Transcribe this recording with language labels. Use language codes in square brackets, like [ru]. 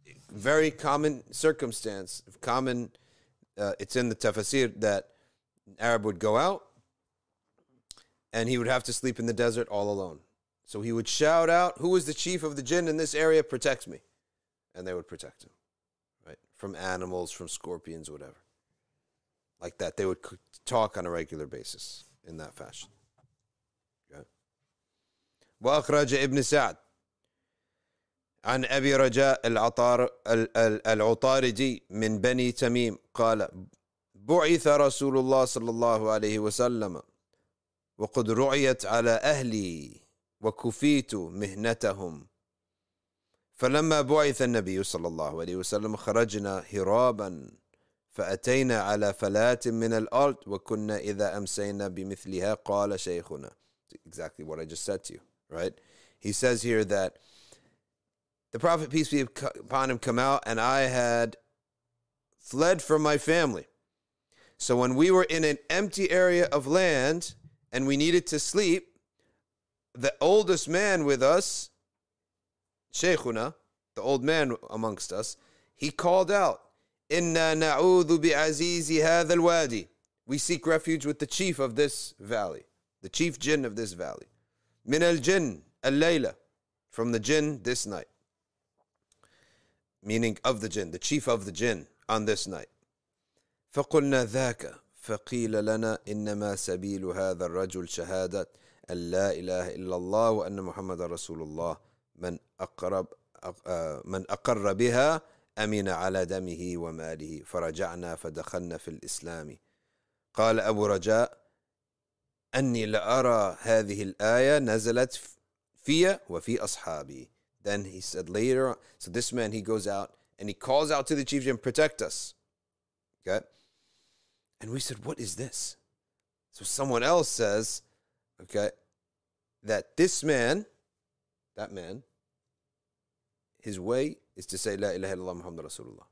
[en] Very common circumstance, it's in the tafsir that an Arab would go out and he would have to sleep in the desert all alone. So he would shout out, who is the chief of the jinn in this area? Protect me. and they would protect him, right? From animals, from scorpions, whatever. Like that. They would talk on a regular basis in that fashion. Okay. [ar] Wa akhraja ibn Sa'd an Abi Raja al-Utaridi min Bani Tamim qala بعث رسول الله صلى الله عليه وسلم وقد رعيت على أهلي وكفيت مهنتهم فلما بعث النبي صلى الله عليه وسلم خرجنا هرابا فأتينا على فلات من الأرض وكنا إذا أمسينا بمثلها قال شيخنا. [en] Exactly what I just said to you, right? He says here that the Prophet, peace be upon him, come out and I had fled from my family. So when we were in an empty area of land and we needed to sleep, the oldest man with us, Sheikhuna, the old man amongst us, he called out, [ar] "Inna na'udhu bi'azizi hadha al-wadi." [en] We seek refuge with the chief of this valley, the chief jinn of this valley. [ar] "Min al-jinn al-layla," [en] from the jinn this night. Meaning of the jinn, the chief of the jinn on this night. [ar] فقلنا ذاك فقيل لنا إنما سبيل هذا الرجل شهادة أن لا إله إلا الله وأن محمد رسول الله من أقر بها أمين على دمه وماله فرجعنا فدخلنا في الإسلام. قال أبو رجاء أني لأرى هذه الآية نزلت في وفي أصحابي. [en] Then he said later on, so this man, he goes out and he calls out to the chief and protect us. Okay. And we said, what is this? So someone else says, okay, that this man, that man, his way is to say, La ilaha illallah Muhammad Rasulullah.